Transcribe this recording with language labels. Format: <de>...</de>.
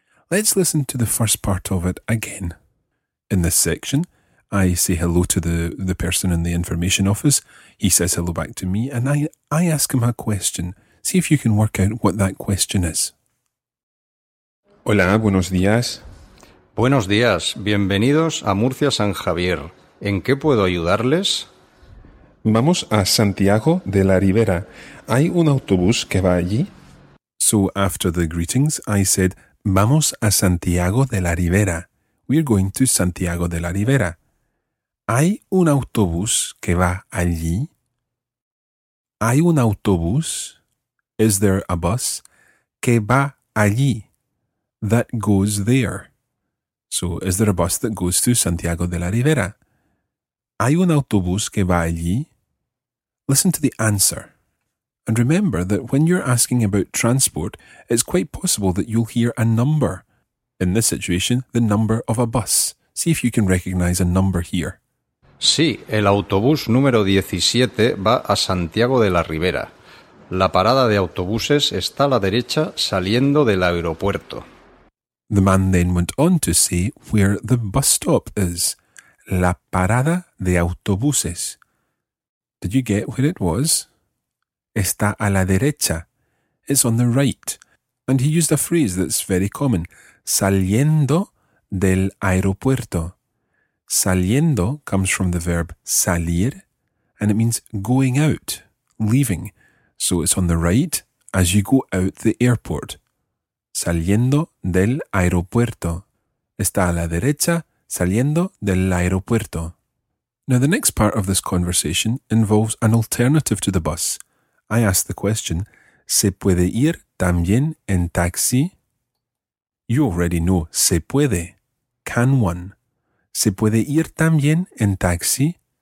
<en>Let's listen to the first part of it again. In this section, I say hello to the person in the information office. He says hello back to me, and I ask him a question. See if you can work out what that question is.</en> <es>Hola, buenos días. Buenos días, bienvenidos a Murcia San Javier. ¿En qué puedo ayudarles? Vamos a Santiago de la Ribera. ¿Hay un autobús que va allí?</es> <en>So after the greetings, I said, vamos a Santiago de la Ribera. We're going to Santiago de la Ribera.</en> <es>¿Hay un autobús que va allí?</es> <en>¿Hay un autobús? Is there a bus?</en> <es>Que va allí. That goes there.</es> <en>So is there a bus that goes to Santiago de la Ribera?</en> <es>¿Hay un autobús que va allí?</es> <en>Listen to the answer. And remember that when you're asking about transport, it's quite possible that you'll hear a number. In this situation, the number of a bus. See if you can recognize a number here.</en> <es>Sí, el autobús número 17 va a Santiago de la Ribera. La parada de autobuses está a la derecha saliendo del aeropuerto.</es> <en>The man then went on to say where the bus stop is. La parada de autobuses. Did you get where it was?</en> <es>está a la derecha. It's on the right.</es> <en>And he used a phrase that's very common.</en> <es>Saliendo del aeropuerto.</es> <en>Saliendo comes from the verb salir, and it means going out, leaving. So it's on the right as you go out the airport.</en> <es>Saliendo del aeropuerto. Está a la derecha, saliendo del aeropuerto.</es> <en>Now the next part of this conversation involves an alternative to the bus. I ask the question, ¿se puede ir también en taxi?</en> <es>You already know, se puede. Can one? ¿Se puede ir también en taxi?</es>